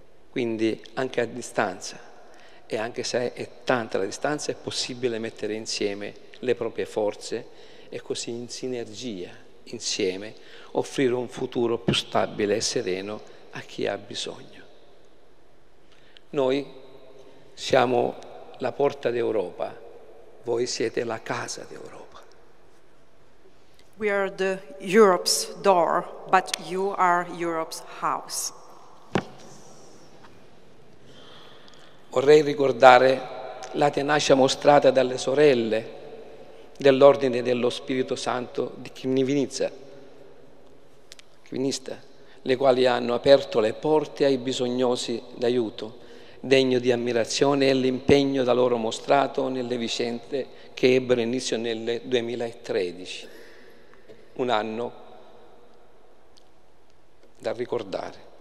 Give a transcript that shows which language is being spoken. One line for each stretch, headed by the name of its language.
Italian: Quindi anche a distanza, e anche se è tanta la distanza, è possibile mettere insieme le proprie forze e così in sinergia, insieme, offrire un futuro più stabile e sereno a chi ha bisogno. Noi siamo la porta d'Europa, voi siete la casa d'Europa.
English: We are the Europe's door, but you are Europe's house.
Italian: Vorrei ricordare la tenacia mostrata dalle sorelle dell'Ordine dello Spirito Santo di Kivinista, le quali hanno aperto le porte ai bisognosi d'aiuto, degno di ammirazione e l'impegno da loro mostrato nelle vicende che ebbero inizio nel 2013, un anno da ricordare.